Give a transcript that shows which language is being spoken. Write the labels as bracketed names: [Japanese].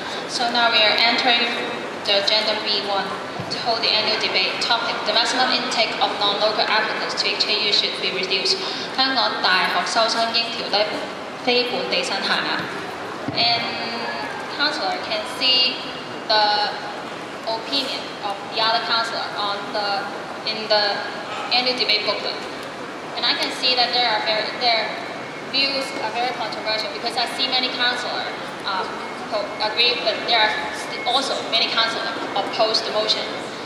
[English] So now we are entering the agenda B1. To hold the annual debate topic, the maximum intake of non-local applicants to HKU should be reduced. [Chinese] 香港大學收生應調低非本地生限額。 [English] And councillor can see the opinion of the other councillor in the annual debate booklet. And I can see that their views are very controversial because I see many councillors agree, but there are also many councillors oppose the motion.